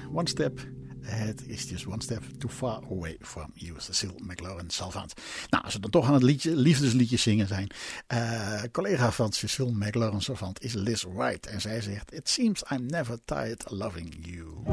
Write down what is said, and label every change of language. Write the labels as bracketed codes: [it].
[en] One step ahead is just one step too far away from you, Cecile McLaurin Salvant. [nl] Nou, als we dan toch aan het liefdesliedje zingen zijn. Collega van Cecile McLaurin Salvant is Liz Wright. En zij zegt, [en] it seems I'm never tired loving you.